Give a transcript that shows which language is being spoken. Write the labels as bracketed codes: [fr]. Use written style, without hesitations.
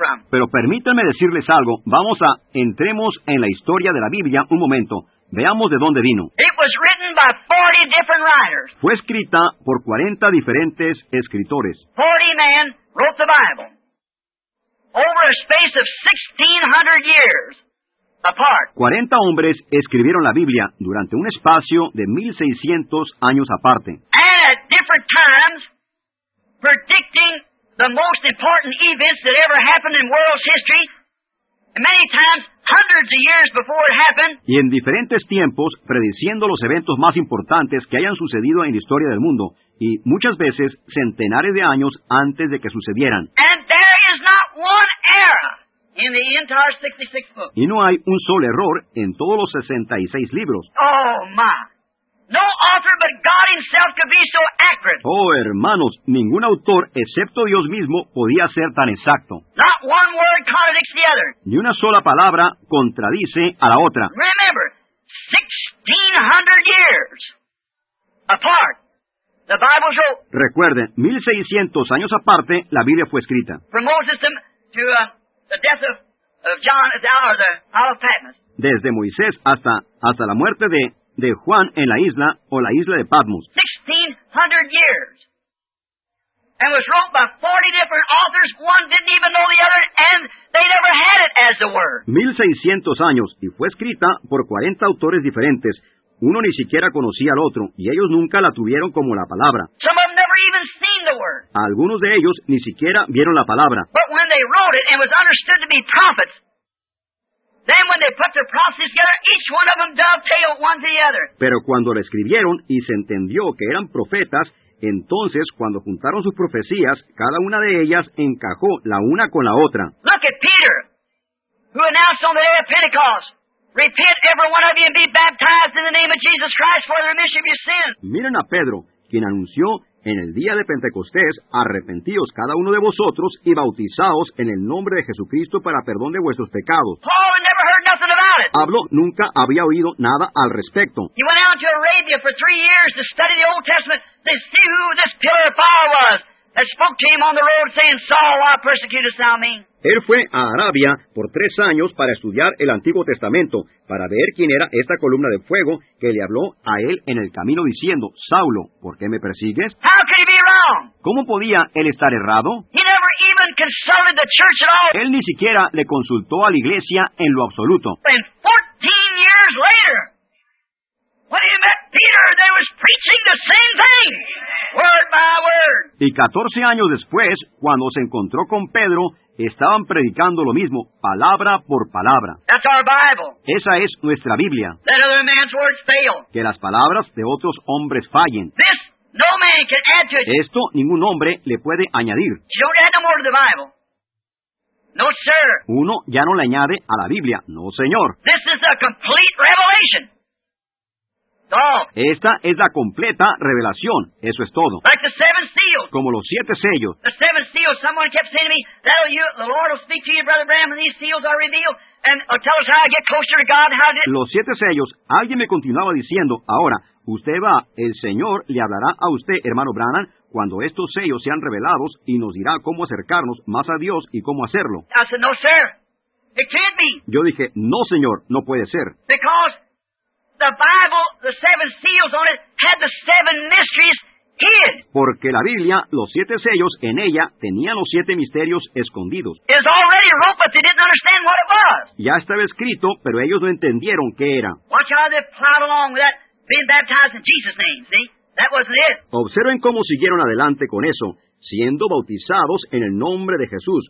[es] Pero permítanme decirles algo. Vamos a entremos en la historia de la Biblia un momento. Veamos de dónde vino. [en] It was written by 40 different writers. [es] Fue escrita por 40 diferentes escritores. [en] 40 men wrote the Bible over a space of 1600 years apart. [es] 40 hombres escribieron la Biblia durante un espacio de 1600 años aparte. [en] And at different times predicting the most important events that ever happened in world's history. Many times, hundreds of years before it happened. [es] Y en diferentes tiempos, prediciendo los eventos más importantes que hayan sucedido en la historia del mundo, y muchas veces, centenares de años antes de que sucedieran. [en] And there is not one error in the entire 66 books. [es] Y no hay un solo error en todos los 66 libros. [en] Oh, my. No author but God himself could be so accurate. [es] Oh, hermanos, ningún autor excepto Dios mismo podía ser tan exacto. [en] Not one word contradicts the other. [es] Ni una sola palabra contradice a la otra. [en] Remember, 1600 years apart, the Bible wrote. [es] Recuerden, 1600 años aparte, la Biblia fue escrita. [en] From Moses to the death of John at the hour of the Isle of Patmos. [es] Desde Moisés hasta la muerte de Juan en la isla o la isla de Patmos. [en] 1600 years. And was wrote by 40 different authors. One didn't even know the other and they never had it as the word. [es] 1600 años y fue escrita por 40 autores diferentes. Uno ni siquiera conocía al otro y ellos nunca la tuvieron como la palabra. [en] Some of them never even [es] Algunos de ellos ni siquiera vieron la palabra. [en] But when they wrote it and was understood to be prophets, then when they put their prophecies together, each one of them dovetailed one to the other. [es] Pero cuando lo escribieron y se entendió que eran profetas, entonces cuando juntaron sus profecías, cada una de ellas encajó la una con la otra. [en] Look at Peter, who announced on the day of Pentecost, repent every one of you and be baptized in the name of Jesus Christ for the remission of your sins. [es] Miren a Pedro, quien anunció en el día de Pentecostés, arrepentíos cada uno de vosotros y bautizaos en el nombre de Jesucristo para perdón de vuestros pecados. [en] Paul had never heard nothing about it. [es] Pablo nunca había oído nada al respecto. [en] He went out to Arabia for 3 years to study the Old Testament to see who this pillar of fire was that spoke to him on the road saying, Saul, why persecutest thou me? [es] Él fue a Arabia por 3 años para estudiar el Antiguo Testamento, para ver quién era esta columna de fuego que le habló a él en el camino diciendo, Saulo, ¿por qué me persigues? [en] How could he be wrong? [es] ¿Cómo podía él estar errado? [en] He never even consulted the church at all. [es] Él ni siquiera le consultó a la iglesia en lo absoluto. [en] And 14 years later, when he met Peter, they was preaching the same thing, word by word. [es] Y 14 años después, cuando se encontró con Pedro, estaban predicando lo mismo, palabra por palabra. [en] That's our Bible. [es] Esa es nuestra Biblia. [en] Let other man's words fail. [es] Que las palabras de otros hombres fallen. [en] This, no man can add to it. [es] Esto ningún hombre le puede añadir. [en] You don't add no more to the Bible. No, sir. [es] Uno ya no le añade a la Biblia. No, señor. [en] This is a complete revelation. [es] Esta es la completa revelación. Eso es todo. [en] Like the seven seals. [es] Como los 7 sellos. [en] The seven seals. Someone kept saying to me, "That'll you, the Lord will speak to you, Brother Bram, and these seals are revealed, and tell us how I get closer to God." How did? [es] Los 7 sellos. Alguien me continuaba diciendo, ahora, usted va, el Señor le hablará a usted, hermano Branham, cuando estos sellos sean revelados y nos dirá cómo acercarnos más a Dios y cómo hacerlo. [en] I said, "No, sir. It can't be." [es] Yo dije, "No, señor, no puede ser." [en] Because the Bible, the 7 seals on it, had the 7 mysteries hid. [es] Porque la Biblia, los 7 sellos en ella, tenían los 7 misterios escondidos. [en] It's already wrote, but they didn't understand what it was. [es] Ya estaba escrito, pero ellos no entendieron qué era. [en] Watch how they plowed along with that, being baptized in Jesus' name, see? That wasn't it. [es] Observen cómo siguieron adelante con eso, siendo bautizados en el nombre de Jesús.